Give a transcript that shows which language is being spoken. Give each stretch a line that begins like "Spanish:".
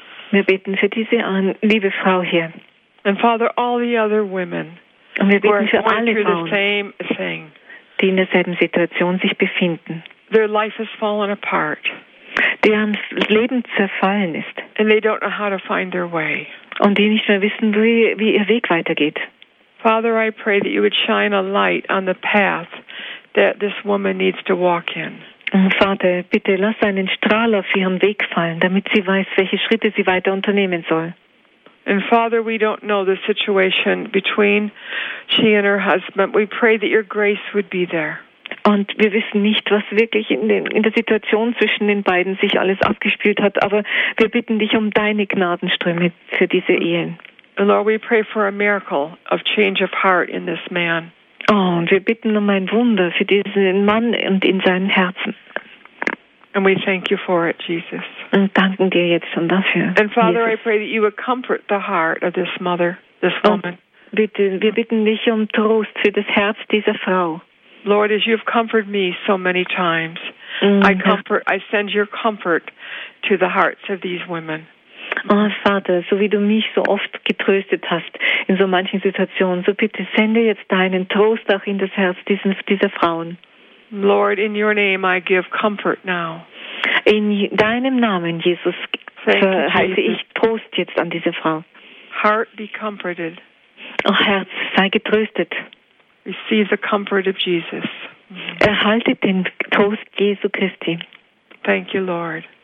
German: Wir beten für diese liebe Frau hier.
English: And Father, all the other women who are going through the same thing.
German: Die in derselben Situation sich befinden.
English: Their life has fallen apart.
German: Deren Leben zerfallen ist.
English: And they don't know how to find their way.
German: Und die nicht mehr wissen, wie ihr Weg weitergeht.
English: Father, I pray that you would shine a light on the path that this woman needs to walk in.
German: Und Vater, bitte lass einen Strahl auf ihren Weg fallen, damit sie weiß, welche Schritte sie weiter unternehmen soll.
English: And Father, we don't know the situation between she and her husband. We pray that your grace would be there.
German: Und wir wissen nicht, was wirklich in der Situation zwischen den beiden sich alles abgespielt hat, aber wir bitten dich um deine Gnadenströme für diese Ehe.
English: Lord, we pray for a miracle of change of heart in this man.
German: Oh, und wir bitten um ein Wunder für diesen Mann und in seinem Herzen.
English: And we thank you for it, Jesus.
German: Und danken dir jetzt schon dafür.
English: And Father, Jesus. I pray that you would comfort the heart of this mother, this woman.
German: Bitte, wir bitten dich um Trost für das Herz dieser Frau.
English: Lord, as you've comforted me so many times, I send your comfort to the hearts of these women.
German: Oh, Vater, so wie du mich so oft getröstet hast in so manchen Situationen, so bitte sende jetzt deinen Trost auch in das Herz dieser Frauen.
English: Lord, in your name I give comfort now.
German: In deinem Namen, Jesus, verheiße ich Trost jetzt an diese Frau.
English: Heart, be comforted.
German: Oh, Herz, sei getröstet.
English: Receive the comfort of Jesus.
German: Erhalte den Trost Jesu Christi.
English: Thank you, Lord.